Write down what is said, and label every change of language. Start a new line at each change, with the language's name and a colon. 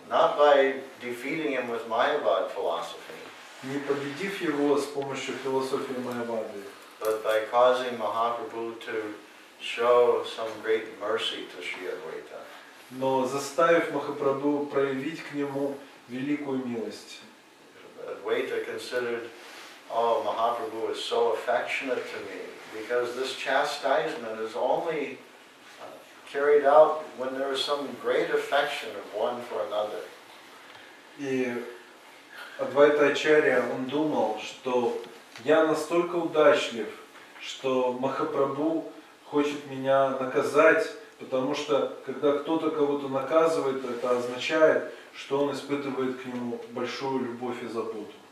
English: Not by defeating him with Mayavad philosophy.
Russian: Не победив его с помощью философии Майявады.
English: But by causing Mahaprabhu to show some great mercy to Sri Advaita.
Russian: Но заставив Махапрабху проявить к нему великую милость.
English: Advaita considered, oh, Mahaprabhu is so affectionate to me, because this chastisement is only carried out when there is some great affection of one for another.
Russian: И Адвайта Ачарья, он думал, что я настолько удачлив, что Махапрабху хочет меня наказать, потому что когда кто-то кого-то наказывает, это означает, что он испытывает к нему большую любовь и заботу.